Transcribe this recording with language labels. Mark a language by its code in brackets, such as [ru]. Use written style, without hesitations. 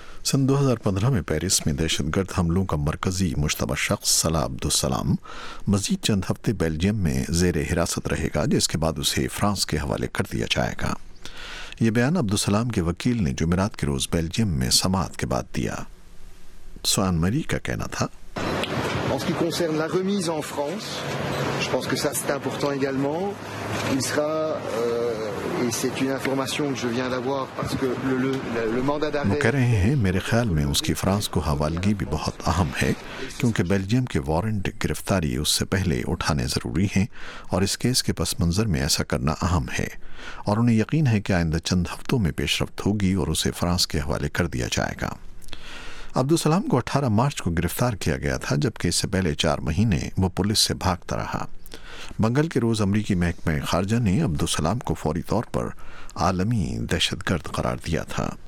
[ur] سن 2015 میں پیرس میں دہشت گرد حملوں کا مرکزی مشتبہ شخص صلاح عبدالسلام مزید چند ہفتے بیلجیم میں زیر حراست رہے گا، جس کے بعد اسے فرانس کے حوالے کر دیا جائے گا۔ یہ بیان عبدالسلام کے وکیل نے جمعرات کے روز بیلجیم میں سماعت کے بعد دیا۔ سوان مری کا کہنا تھا، [fr] En ce qui concerne la remise en France, je pense que ça c'est important également. Il sera et c'est une information que je viens d'avoir parce que le mandat d'arrêt [ur] وہ کہہ رہے ہیں میرے خیال میں اس کی فرانس کو حوالگی بھی بہت اہم ہے، کیونکہ بیلجیم کے وارنٹ گرفتاری اس سے پہلے اٹھانے ضروری ہیں، اور اس کیس کے پس منظر میں ایسا کرنا اہم ہے، اور انہیں یقین ہے کہ آئندہ چند ہفتوں میں پیش رفت ہوگی اور اسے فرانس کے حوالے کر دیا جائے گا۔ عبدالسلام کو 18 مارچ کو گرفتار کیا گیا تھا، جبکہ اس سے پہلے 4 مہینے وہ پولیس سے بھاگتا رہا۔ منگل کے روز امریکی محکمہ خارجہ نے عبدالسلام کو فوری طور پر عالمی دہشت گرد قرار دیا تھا۔